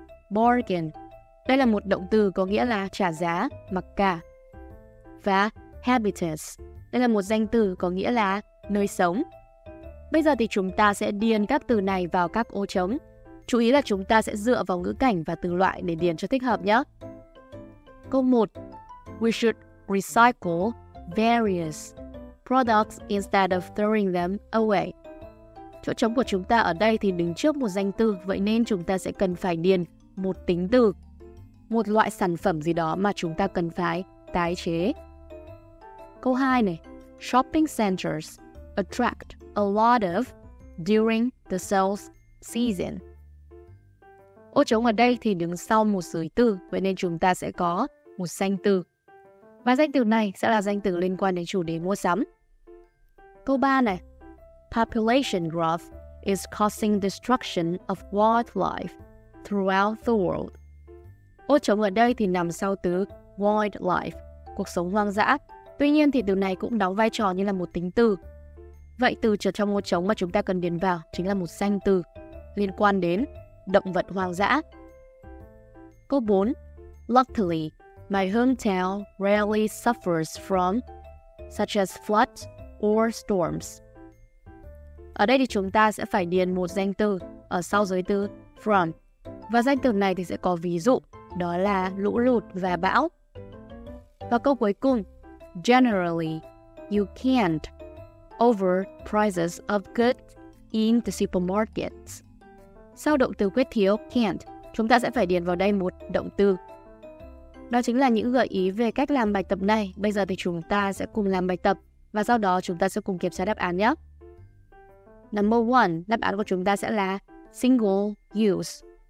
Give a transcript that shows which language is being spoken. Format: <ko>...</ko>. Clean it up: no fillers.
<vi>Bargain, đây là một động từ có nghĩa là trả giá, mặc cả. Và habitus, đây là một danh từ có nghĩa là nơi sống. Bây giờ thì chúng ta sẽ điền các từ này vào các ô trống. Chú ý là chúng ta sẽ dựa vào ngữ cảnh và từ loại để điền cho thích hợp nhé. Câu 1.</vi> <en>We should recycle various products instead of throwing them away.</en> <vi>Chỗ trống của chúng ta ở đây thì đứng trước một danh từ, vậy nên chúng ta sẽ cần phải điền một tính từ, một loại sản phẩm gì đó mà chúng ta cần phải tái chế. Câu 2 này.</vi> <en>Shopping centers attract a lot of during the sales season.</en> <vi>Ô trống ở đây thì đứng sau một giới từ, vậy nên chúng ta sẽ có một danh từ. Và danh từ này sẽ là danh từ liên quan đến chủ đề mua sắm. Câu 3 này.</vi> <en>Population growth is causing destruction of wildlife throughout the world.</en> <vi>Ô trống ở đây thì nằm sau từ wildlife, cuộc sống hoang dã. Tuy nhiên thì từ này cũng đóng vai trò như là một tính từ. Vậy từ trở trong ô trống mà chúng ta cần điền vào chính là một danh từ liên quan đến động vật hoang dã. Câu 4.</vi> <en>Luckily, my hometown rarely suffers from such as flood or storms.</en> <vi>Ở đây thì chúng ta sẽ phải điền một danh từ ở sau giới từ from. Và danh từ này thì sẽ có ví dụ, đó là lũ lụt và bão. Và câu cuối cùng.</vi> <en>Generally, you can't over prices of goods in the supermarkets.</en> <vi>Sau động từ quyết thiếu can't, chúng ta sẽ phải điền vào đây một động từ. Đó chính là những gợi ý về cách làm bài tập này. Bây giờ thì chúng ta sẽ cùng làm bài tập và sau đó chúng ta sẽ cùng kiểm tra đáp án nhé.</vi> <en>Number 1,</en> <vi>đáp án của chúng ta sẽ là single use.</vi>